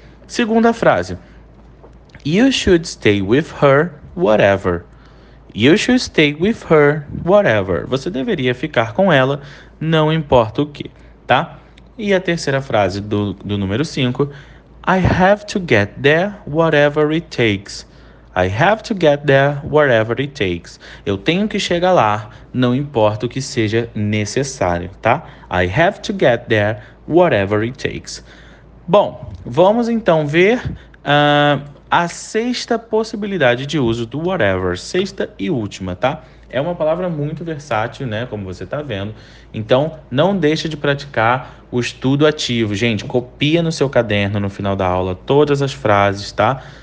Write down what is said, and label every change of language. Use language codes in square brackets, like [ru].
[pt] Segunda frase, [en] you should stay with her, whatever. You should stay with her, whatever. [pt] Você deveria ficar com ela, não importa o que, tá? E a terceira frase do número 5, [en] I have to get there, whatever it takes. I have to get there, whatever it takes. [pt] Eu tenho que chegar lá, não importa o que seja necessário, tá? [en] I have to get there, whatever it takes. [pt] Bom, vamos então ver a sexta possibilidade de uso do whatever, sexta e última, tá? É uma palavra muito versátil, né? Como você está vendo. Então, não deixe de praticar o estudo ativo. Gente, copia no seu caderno no final da aula todas as frases, tá?